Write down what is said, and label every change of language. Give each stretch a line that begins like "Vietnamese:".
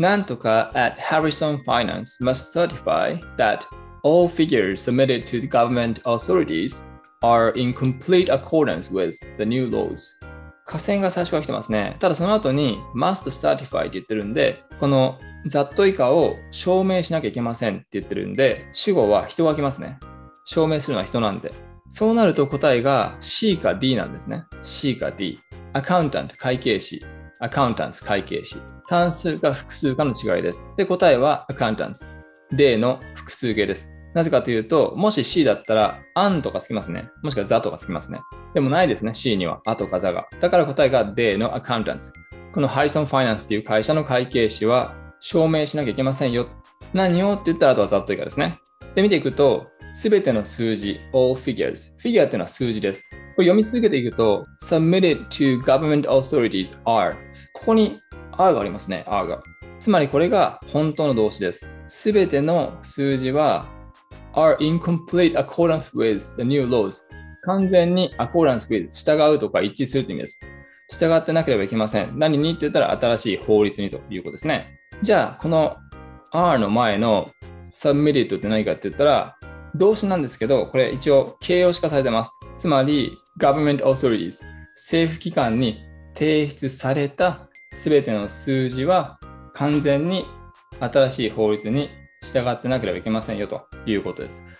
Japanese: なんとか
English: at Harrison Finance must certify that all figures submitted to the government authorities are in complete accordance with the new laws。
Japanese: 下線が最初から来てますね。ただその後に
English: must certify
Japanese: って言ってるんで、このざっと以下を証明しなきゃいけませんって言ってるんで、主語は人が来ますね。証明するのは人なんで。そうなると答えが C か D なんですね。 C か D。Accountant 会計士、アカウンタンス会計士。単数か複数かの違いです。で、答えはアカウンタンス。でのの複数形です。なぜかというと、もし C だったら、アンとかつきますね。もしくはザとかつきますね。でもないですね。C にはアとかザが。だから答えがでのアカウンタンス。このハリソンファイナンスという会社の会計士は証明しなきゃいけませんよ。何をって言ったら、あとはざっと以下ですね。で、見ていくと、すべての数字、
English: all figures。
Japanese: figure っていうのは数字です。これ読み続けていくと、
English: submitted to government authorities are。
Japanese: ここに R がありますね、R が。つまりこれが本当の動詞です。すべての数字は
English: are in complete accordance with the new laws。
Japanese: 完全に
English: accordance with、
Japanese: 従うとか一致するって意味です。従ってなければいけません。何にって言ったら新しい法律にということですね。じゃあ、この R の前の submitted って何かって言ったら、動詞なんですけど、これ一応形容詞化されてます。つまり、
English: government authorities、
Japanese: 政府機関に提出されたすべての数字は完全に新しい法律に従ってなければいけませんよということです。